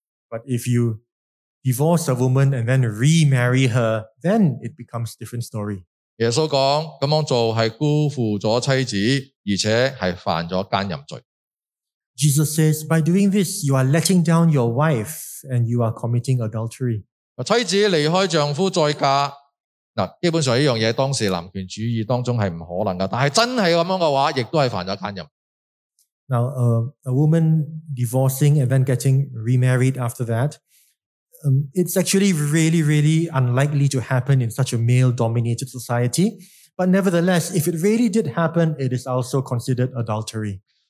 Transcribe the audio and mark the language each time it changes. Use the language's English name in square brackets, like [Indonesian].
[English] But if you divorce a woman and then remarry her, then it becomes a different story. [Chinese] 耶稣说，这样做是辜负了妻子，而且是犯了奸淫罪。 [English] Jesus says, by doing this, you are letting down your wife and you are committing adultery. [Chinese] 妻子离开丈夫再嫁，基本上这件事当时男权主义当中是不可能的，但是真的这样的话，也是犯了奸淫。 [English] Now, a woman divorcing and then getting remarried after that, it's actually really, really unlikely to happen in such a male-dominated society. But nevertheless, if it really did happen, it is also considered adultery.